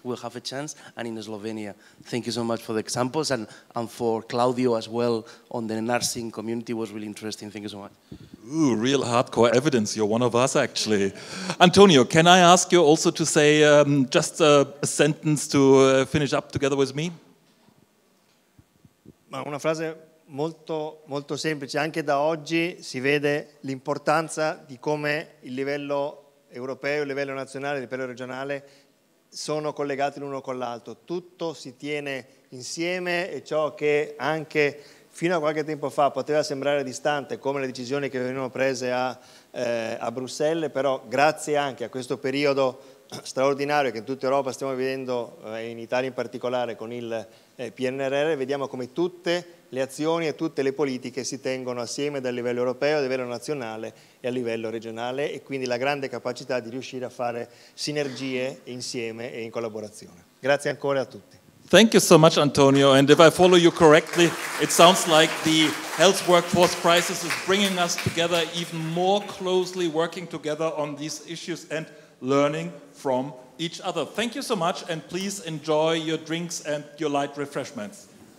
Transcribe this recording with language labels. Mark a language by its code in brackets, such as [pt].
[en] We'll have a chance, and in Slovenia. Thank you so much for the examples, and for Claudio as well on the nursing community was really interesting. Thank you so much. Ooh, real hardcore evidence. You're one of us, actually. Antonio, can I ask you also to say just a sentence to finish up together with me? [it] Una frase molto molto semplice. Anche da oggi si vede l'importanza di come il livello europeo, il livello nazionale, il livello regionale sono collegati l'uno con l'altro. Tutto si tiene insieme e ciò che anche fino a qualche tempo fa poteva sembrare distante, come le decisioni che venivano prese a Bruxelles, però grazie anche a questo periodo straordinario che in tutta Europa stiamo vivendo, in Italia in particolare, con il PNRR, vediamo come tutte le azioni e tutte le politiche si tengono assieme dal livello europeo, a livello nazionale e a livello regionale, e quindi la grande capacità di riuscire a fare sinergie insieme e in collaborazione. Grazie ancora a tutti. [en] Thank you so much, Antonio. And if I follow you correctly, it sounds like the health workforce crisis is bringing us together even more closely, working together on these issues and learning from each other. Thank you so much, and please enjoy your drinks and your light refreshments.